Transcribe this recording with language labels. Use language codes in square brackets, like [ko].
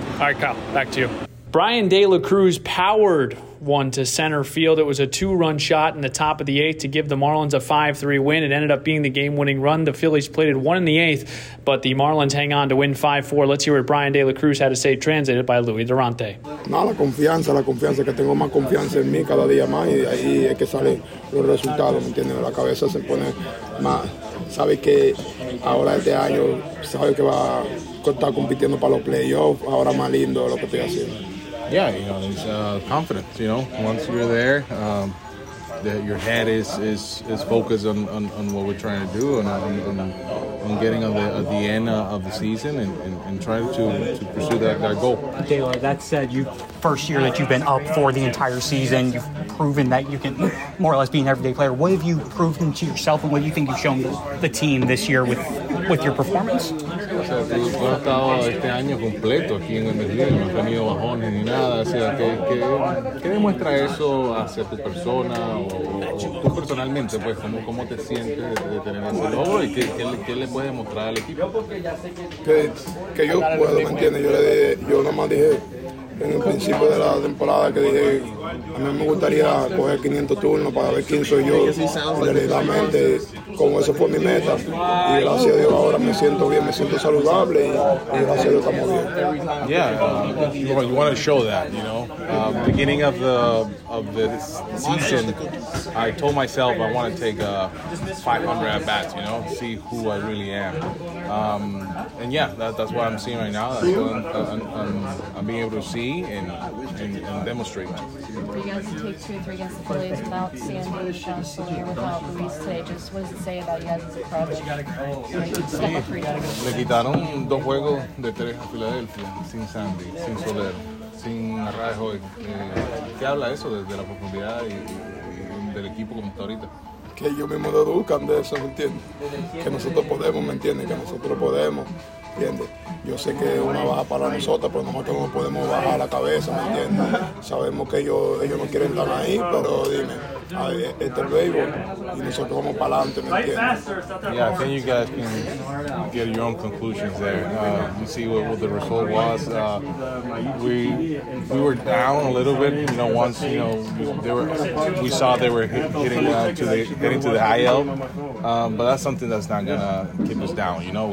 [en] All right, Kyle, back to you. Brian De La Cruz powered one to center field. It was a two-run shot in the top of the eighth to give the Marlins a 5-3 win. It ended up being the game-winning run. The Phillies played it one in the eighth, but the Marlins hang on to win 5-4. Let's hear what Brian De La Cruz had to say, translated by Luis Durante. [es] No, la confianza que tengo más confianza en mí cada día más y ahí es que salen los resultados, ¿me entiendes? La cabeza se pone más. Sabes que ahora este año sabes que va a estar compitiendo para los playoffs. Ahora más lindo lo que estoy haciendo. [en] Yeah, you know, it's confidence, you know. Once you're there, your head is focused on what we're trying to do and getting at the end of the season and trying to pursue that goal. Dale, that said, you first year that you've been up for the entire season, you've proven that you can more or less be an everyday player. What have you proven to yourself and what do you think you've shown the team this year with your performance? He has been this year [es] completo aquí en Medellín, no ha tenido bajones ni nada. O sea, ¿qué demuestra eso hacia tu persona o tú personalmente? Pues, ¿cómo te sientes de tener ese logro y qué le puedes mostrar al equipo? Que yo puedo, ¿me entiendes? Yo nada más dije en el principio de la temporada que dije, a mí me gustaría coger 500 turnos para ver quién soy yo, realmente, como eso fue mi meta. Y gracias a Dios ahora me siento bien, me siento saludable y gracias a Dios estamos bien. [en] Yeah, you want to show that, you know. Beginning of the season, I told myself I want to take 500 at bats, you know, see who I really am. And yeah, that's what I'm seeing right now. I'm being able to see and demonstrate that. For you guys to take 2-3 against the Phillies without Sandy, Sean Soler, without Luis today, just what does it say about you guys as a club? [es] Le quitaron dos juegos de tres a Philadelphia sin Sandy, sin Soler, sin Arraejo. ¿Qué habla eso de la profundidad y del equipo como está ahorita? Que ellos mismos deducan de eso, ¿me entiendes? Que nosotros podemos, ¿me entiendes? Que nosotros podemos, ¿me entiendes? Yo sé que es una baja para nosotros, pero nosotros no podemos bajar la cabeza, ¿me entiendes? Sabemos que ellos no quieren estar ahí, pero dime, este es el béisbol y nosotros vamos para adelante, ¿me entiendes? [en] Yeah, I think you guys can get your own conclusions there. You see what the result was. We were down a little bit, you know, once, you know, we saw they were hitting getting to the IL, but that's something that's not going to keep us down, you know.